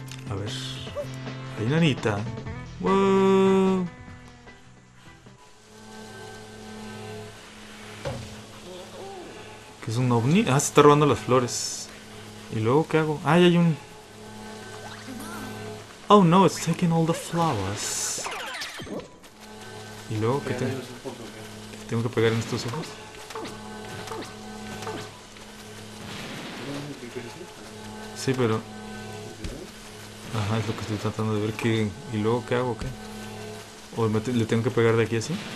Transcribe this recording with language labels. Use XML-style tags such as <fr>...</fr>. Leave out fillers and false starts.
<es>A ver. Hay una anita. ¡Wow! ¿Qué es un ovni? Ah, se está robando las flores. ¿Y luego qué hago? Ah, ya hay un...</es> <en>Oh no, it's taking all the flowers.</en> <es>¿Y luego qué tengo? ¿Qué tengo que pegar en estos ojos? Sí, pero... Ajá, es lo que estoy tratando de ver. ¿Qué? ¿Y luego qué hago? ¿Qué? ¿O le tengo que pegar de aquí así?</es>